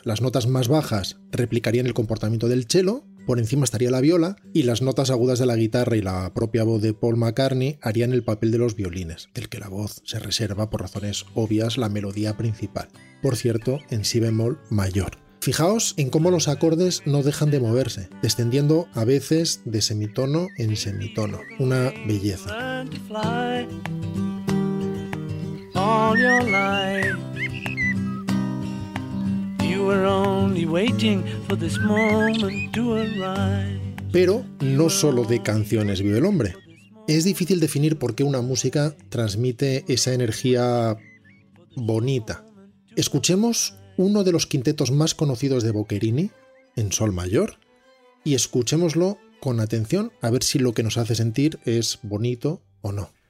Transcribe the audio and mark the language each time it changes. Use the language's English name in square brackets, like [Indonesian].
[Spanish] Las notas más bajas replicarían el comportamiento del cello, por encima estaría la viola, y las notas agudas de la guitarra y la propia voz de Paul McCartney harían el papel de los violines, del que la voz se reserva, por razones obvias, la melodía principal. Por cierto, en si bemol mayor. Fijaos en cómo los acordes no dejan de moverse, descendiendo a veces de semitono en semitono. Una belleza. [English] All your life, you were only waiting for this moment to arrive. [Spanish] Pero no solo de canciones vive el hombre. Es difícil definir por qué una música transmite esa energía bonita. Escuchemos uno de los quintetos más conocidos de Boccherini, en sol mayor, y escuchémoslo con atención a ver si lo que nos hace sentir es bonito o no.